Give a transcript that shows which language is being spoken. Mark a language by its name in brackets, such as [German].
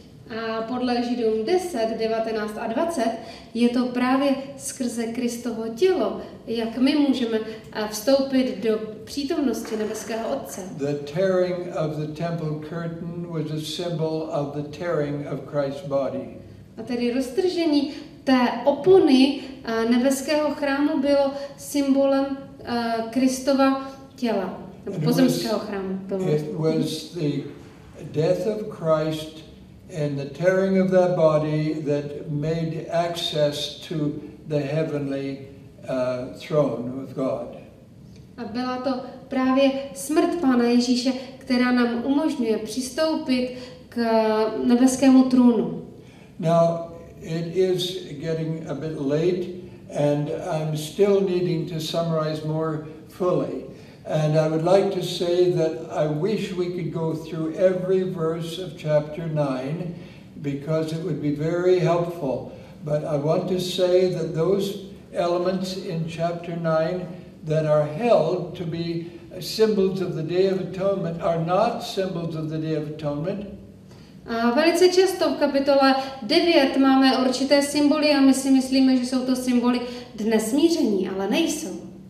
[Czech] A podle Židům 10, 19 a 20 je to právě skrze Kristovo tělo, jak my můžeme vstoupit do přítomnosti nebeského Otce. [English] The tearing of the temple curtain was a symbol of the tearing of Christ's body. [Czech] A tedy roztržení té opony nebeského chrámu bylo symbolem Kristova těla, pozemského chrámu. [English] It was the death of Christ and the tearing of that body that made access to the heavenly throne of God. [Czech] A byla to právě smrt Pána Ježíše, která nám umožňuje přistoupit k nebeskému trůnu. [English] Now, it is getting a bit late, and I'm still needing to summarize more fully. And I would like to say that I wish we could go through every verse of chapter 9, because it would be very helpful. But I want to say that those elements in chapter 9 that are held to be symbols of the Day of Atonement are not symbols of the Day of Atonement. [Czech] A velice často v kapitole 9 máme určité symboly a my si myslíme, že jsou to symboly Dne smíření, ale nejsou.